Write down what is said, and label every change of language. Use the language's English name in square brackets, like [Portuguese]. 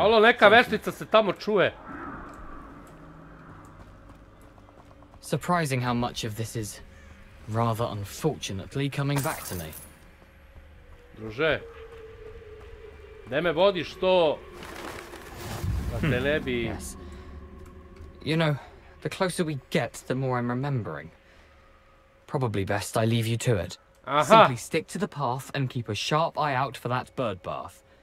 [Serbian] Alo, neka veštica se tamo čuje. [English] Surprising how much of this is, rather unfortunately, coming back to me. [Serbian] Druže, gde me vodiš to, da te ne bi... [English] Yes. You know, the closer we get, the more I'm remembering. Probably best I leave you to it. Aha. Simply stick to the path and keep a sharp eye out for that birdbath.